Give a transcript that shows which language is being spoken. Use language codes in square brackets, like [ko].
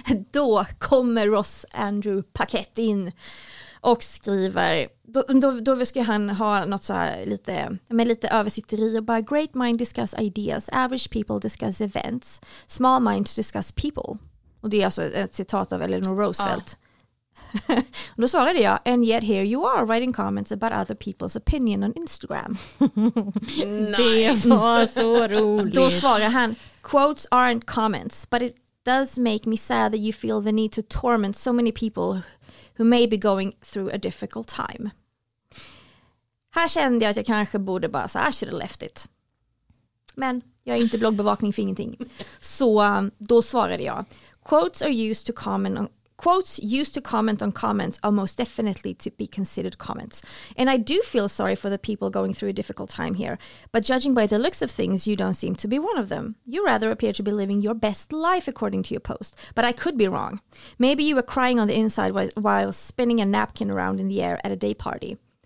[sv] Då kommer Ross Andrew Paquette in och skriver, då ska han ha något så här lite, med lite översitteri och bara, [en] great mind discuss ideas, average people discuss events, small minds discuss people. [sv] Och det är alltså ett citat av Eleanor Roosevelt. Ja. Då svarade jag, [en] and yet here you are writing comments about other people's opinion on Instagram. [sv] Det var så roligt. Då svarar han, [en] quotes aren't comments, but it does make me sad that you feel the need to torment so many people who may be going through a difficult time. [sv] Här kände jag att jag kanske borde bara säga, [en] I should have left it. [sv] Men jag är inte bloggbevakning för ingenting. Så då svarade jag. [en] Quotes are used to quotes used to comment on comments are most definitely to be considered comments. And I do feel sorry for the people going through a difficult time here. But judging by the looks of things, you don't seem to be one of them. You rather appear to be living your best life according to your post. But I could be wrong. Maybe you were crying on the inside while spinning a napkin around in the air at a day party.